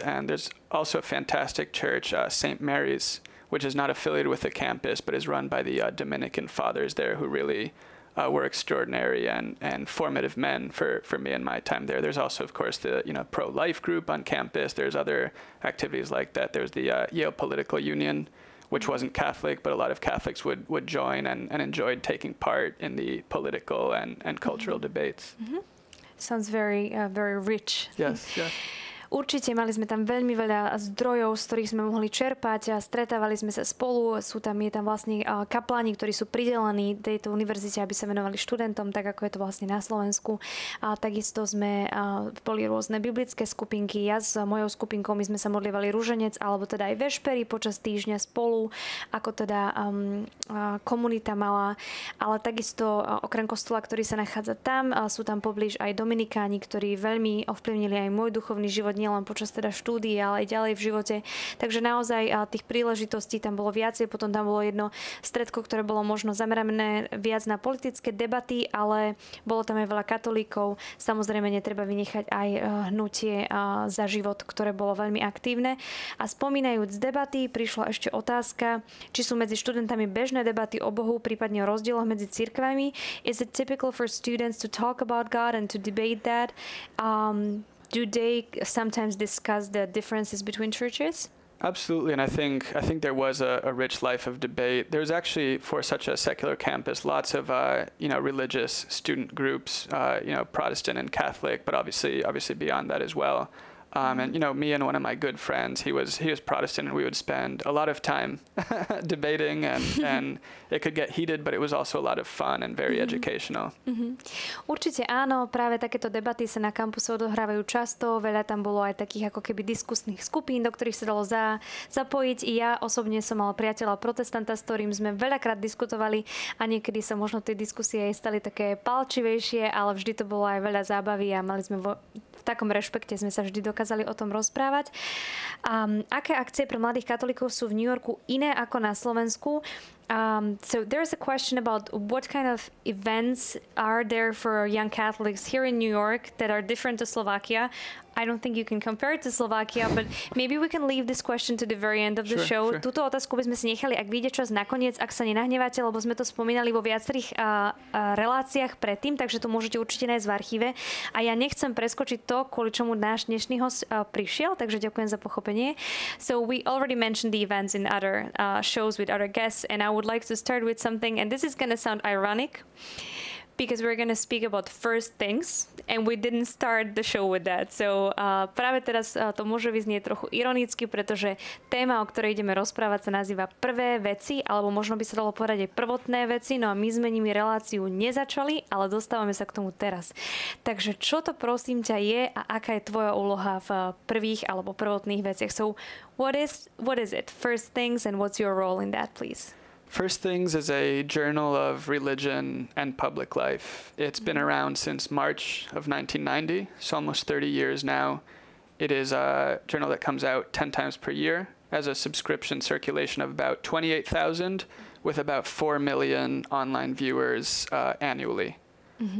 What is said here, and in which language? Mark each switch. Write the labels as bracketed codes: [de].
[en] And there's also a fantastic church, St. Mary's, which is not affiliated with the campus, but is run by the Dominican fathers there who really were extraordinary and formative men for me in my time there. There's also, of course, the pro-life group on campus. There's other activities like that. There's the Yale Political Union, which wasn't Catholic, but a lot of Catholics would join and enjoyed taking part in the political and cultural mm-hmm. debates. Mm-hmm. Sounds very, very rich. Yes. [sk] Určite mali sme tam veľmi veľa zdrojov, z ktorých sme mohli čerpať a stretávali sme sa spolu. Je tam vlastne kapláni, ktorí sú pridelení tejto univerzite, aby sa venovali študentom, tak ako je to vlastne na Slovensku. A takisto sme boli rôzne biblické skupinky. Ja s mojou skupinkou, my sme sa modlievali rúženec, alebo teda aj vešpery počas týždňa spolu, ako teda komunita mala. Ale takisto okrem kostola, ktorý sa nachádza tam, sú tam poblíž aj dominikáni, ktorí veľmi ovplyvnili aj môj duchovný život. Nielen počas teda štúdií, ale aj ďalej v živote. Takže naozaj tých príležitostí tam bolo viacej. Potom tam bolo jedno stretko, ktoré bolo možno zamerané viac na politické debaty, ale bolo tam aj veľa katolíkov. Samozrejme, netreba vynechať aj hnutie za život, ktoré bolo veľmi aktívne. A spomínajúc debaty, prišla ešte otázka, či sú medzi študentami bežné debaty o Bohu, prípadne o rozdieloch medzi cirkvami. [en] Is it typical for students to talk about God and to debate that? Do they sometimes discuss the differences between churches? Absolutely, and I think there was a rich life of debate. There's actually, for such a secular campus, lots of religious student groups, Protestant and Catholic, but obviously beyond that as well. Me and one of my good friends, he was Protestant, and we would spend a lot of time debating, and it could get heated, but it was also a lot of fun and very mm-hmm. educational. Mm-hmm. [sk] Určite áno, práve takéto debaty sa na kampuse odohrávajú často, veľa tam bolo aj takých ako keby diskusných skupín, do ktorých sa dalo zapojiť. I ja osobne som mal priateľa protestanta, s ktorým sme veľakrát diskutovali a niekedy sa možno tie diskusie aj stali také palčivejšie, ale vždy to bolo aj veľa zábavy a mali sme v takom rešpekte sme sa vždy dokázali o tom rozprávať. Aké akcie pre mladých katolíkov sú v New Yorku iné ako na Slovensku? [en] So there's a question about what kind of events are there for young Catholics here in New York that are different to Slovakia. I don't think you can compare it to Slovakia, but maybe we can leave this question to the very end of the show. Sure. [sk] Túto otázku by sme si nechali, ak vyjde čas nakoniec, ak sa nenahnevate, lebo sme to spomínali vo viacerých reláciách predtým, takže to môžete určite nájsť v archíve. A ja nechcem preskočiť to, kvôli čomu náš dnešný host prišiel, takže ďakujem za pochopenie. [en] So we already mentioned the events in other shows with other guests, and I would like to start with something, and this is going to sound ironic, because we're going to speak about first things, and we didn't start the show with that. [sk] So práve teraz to môže vyznieť trochu ironicky, pretože téma, o ktorej ideme rozprávať, sa nazýva prvé veci, alebo možno by sa dalo povedať aj prvotné veci, no a my sme nimi reláciu nezačali, ale dostávame sa k tomu teraz. Takže čo to prosím ťa je a aká je tvoja úloha v prvých alebo prvotných veciach? [en] So what is it? First things, and what's your role in that, please? First Things is a journal of religion and public life. It's mm-hmm. been around since March of 1990, so almost 30 years now. It is a journal that comes out 10 times per year, has a subscription circulation of about 28,000, with about 4 million online viewers annually. Mm-hmm.